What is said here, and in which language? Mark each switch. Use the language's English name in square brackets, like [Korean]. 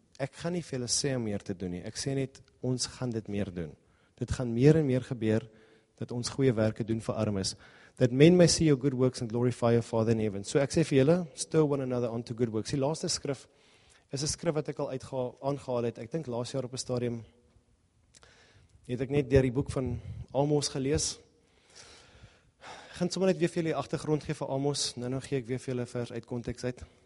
[Afrikaans] Ek gaan nie vir julle sê om meer te doen nie. Ek sê net, ons gaan dit meer doen. Dit gaan meer en meer gebeur, dat ons goeie werke doen vir armes. [English] That men may see your good works and glorify your Father in heaven. [Afrikaans] So ek sê vir julle, [English] stir one another onto good works. [Afrikaans] Die laaste skrif is 'n skrif wat ek al aangehaal het. Ek dink laas jaar op 'n stadium het ek net deur die boek van Amos gelees. Ek gaan sommer net weer vir julle die agtergrond gee vir Amos. Nou gee ek weer vir julle vers uit konteks uit.